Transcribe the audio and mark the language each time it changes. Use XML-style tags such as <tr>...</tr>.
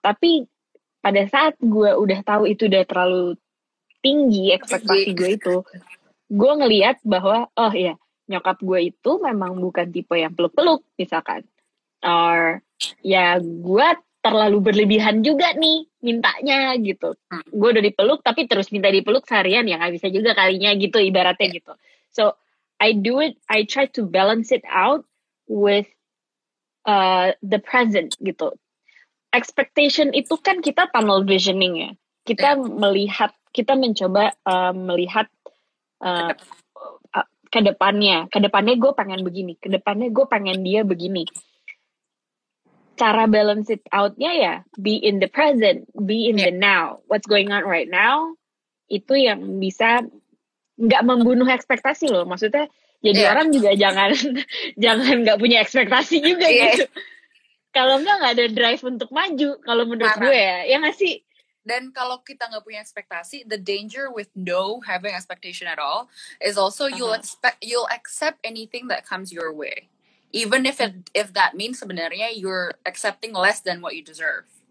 <id>Tapi pada saat gue udah tahu itu udah terlalu tinggi ekspektasi gue itu, gue ngelihat bahwa oh ya nyokap gue itu memang bukan tipe yang peluk-peluk misalkan, or ya gue terlalu berlebihan juga nih mintanya gitu. Gue udah dipeluk tapi terus minta dipeluk seharian ya gak bisa juga kalinya gitu ibaratnya yeah. gitu.</id> <en>So I do it, I try to balance it out with the present gitu.</en> <id>Expectation itu kan kita tunnel visioning ya. Kita yeah. melihat, kita mencoba melihat ke depannya gue pengen begini, ke depannya gue pengen dia begini.</id> <en>Cara balance it out-nya ya, be in the present, be in yeah. the now. What's going on right now,</en> <id>itu yang bisa gak membunuh ekspektasi loh. Maksudnya, jadi yeah. orang juga jangan gak punya ekspektasi juga yeah. gitu. Kalau gak ada drive untuk maju, kalau menurut Marah. Gue ya, ya gak sih? Dan kalau kita gak punya ekspektasi,</id> <en>the danger with no having expectation at all, is also you'll accept anything that comes your way. Even if that means sebenarnya you're accepting less than what you deserve.</en>